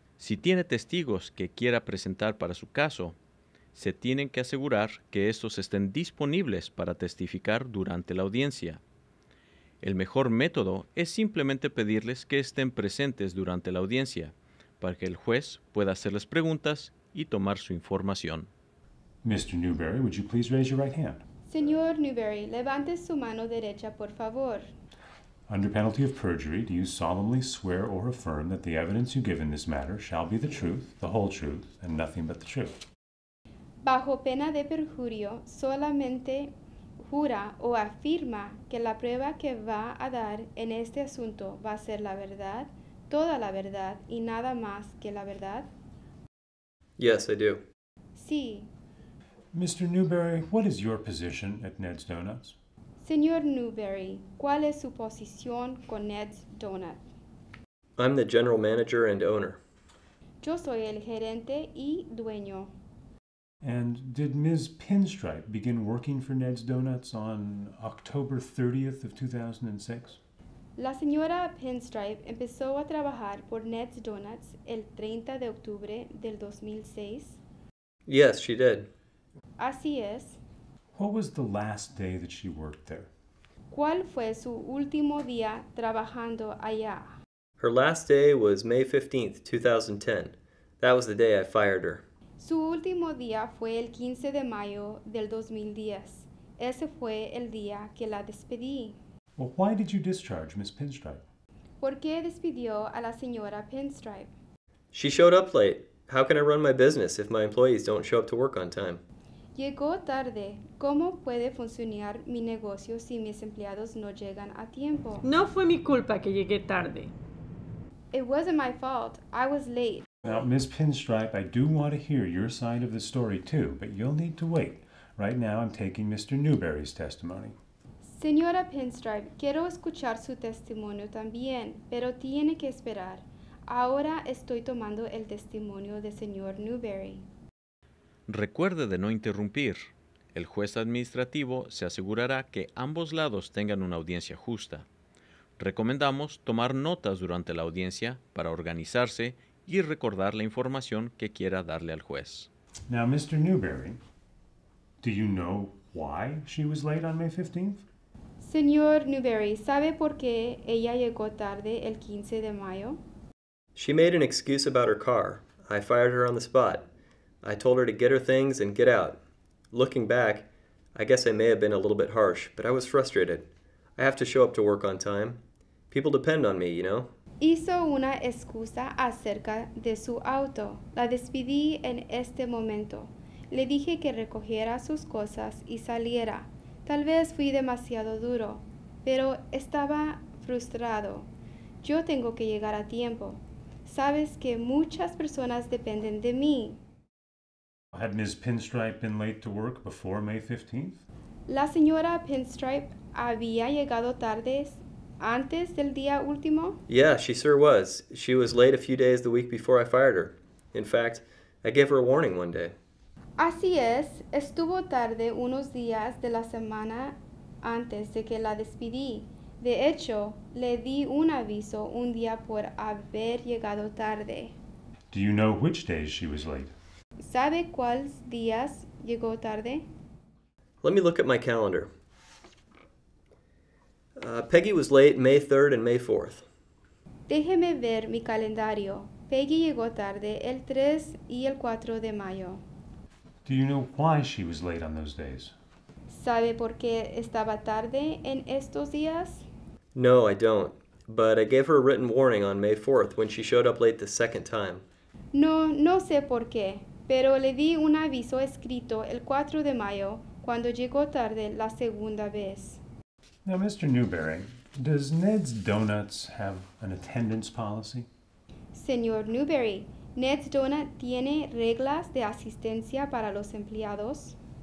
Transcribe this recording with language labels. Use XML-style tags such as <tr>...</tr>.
<es>Si tiene testigos que quiera presentar para su caso, se tienen que asegurar que estos estén disponibles para testificar durante la audiencia. El mejor método es simplemente pedirles que estén presentes durante la audiencia, para que el juez pueda hacerles preguntas y tomar su información.</es> <en>Mr. Newberry, would you please raise your right hand?</en> <es>Señor Newberry, levante su mano derecha, por favor.</es> <en>Under penalty of perjury, do you solemnly swear or affirm that the evidence you give in this matter shall be the truth, the whole truth, and nothing but the truth?</en> <es>Bajo pena de perjurio, solamente jura o afirma que la prueba que va a dar en este asunto va a ser la verdad, toda la verdad, y nada más que la verdad?</es> <en>Yes, I do.</en> <es>Sí.</es> <en>Mr. Newberry, what is your position at Ned's Donuts?</en> <es>Señor Newberry, ¿cuál es su posición con Ned's Donut?</es> <en>I'm the general manager and owner.</en> <es>Yo soy el gerente y dueño.</es> <en>And did Ms. Pinstripe begin working for Ned's Donuts on October 30th of 2006?</en> <es>La señora Pinstripe empezó a trabajar por Ned's Donuts el 30 de octubre del 2006.</es> <en>Yes, she did.</en> <es>Así es.</es> <en>What was the last day that she worked there?</en> <es>¿Cuál fue su último día trabajando allá?</es> <en>Her last day was May 15th, 2010. That was the day I fired her.</en> <es>Su último día fue el 15 de mayo del 2010. Ese fue el día que la despedí.</es> <en>Well, why did you discharge Ms. Pinstripe?</en> <es>¿Por qué despidió a la señora Pinstripe?</es> <en>She showed up late. How can I run my business if my employees don't show up to work on time?</en> <es>Llegó tarde. ¿Cómo puede funcionar mi negocio si mis empleados no llegan a tiempo? No fue mi culpa que llegué tarde.</es> <en>It wasn't my fault. I was late. Now, Ms. Pinstripe, I do want to hear your side of the story too, but you'll need to wait. Right now, I'm taking Mr. Newberry's testimony.</en> <es>Señora Pinstripe, quiero escuchar su testimonio también, pero tiene que esperar. Ahora estoy tomando el testimonio del señor Newberry. Recuerde de no interrumpir. El juez administrativo se asegurará que ambos lados tengan una audiencia justa. Recomendamos tomar notas durante la audiencia para organizarse y recordar la información que quiera darle al juez.</es> <en>Now, Mr. Newberry, do you know why she was late on May 15th?</en> <es>Señor Newberry, ¿sabe por qué ella llegó tarde el 15 de mayo?</es> <en>She made an excuse about her car. I fired her on the spot. I told her to get her things and get out. Looking back, I guess I may have been a little bit harsh, but I was frustrated. I have to show up to work on time. People depend on me, you know?</en> <es>Hizo una excusa acerca de su auto. La despedí en este momento. Le dije que recogiera sus cosas y saliera. Tal vez fui demasiado duro, pero estaba frustrado. Yo tengo que llegar a tiempo. Sabes que muchas personas dependen de mí.</es> <en>Had Ms. Pinstripe been late to work before May 15th?</en> <es>La señora Pinstripe había llegado tarde antes del día último?</es> <en>Yeah, she sure was. She was late a few days the week before I fired her. In fact, I gave her a warning one day.</en> <es>Así es. Estuvo tarde unos días de la semana antes de que la despedí. De hecho, le di un aviso un día por haber llegado tarde.</es> <en>Do you know which days she was late?</en> <es>¿Sabe cuáles días llegó tarde?</es> <en>Let me look at my calendar. Peggy was late May 3rd and May 4th.</en> <es>Déjeme ver mi calendario. Peggy llegó tarde el 3 y el 4 de mayo.</es> <en>Do you know why she was late on those days?</en> <es>¿Sabe por qué estaba tarde en estos días?</es> <en>No, I don't. But I gave her a written warning on May 4th when she showed up late the second time.</en> <es>No, no sé por qué. Pero le di un aviso escrito el 4 de mayo, cuando llegó tarde la segunda vez.</es> <en>Now, Mr. Newberry, does Ned's Donuts have an attendance policy?</en> <es>Señor Newberry, ¿Ned's Donut tiene reglas de asistencia para los empleados?</es>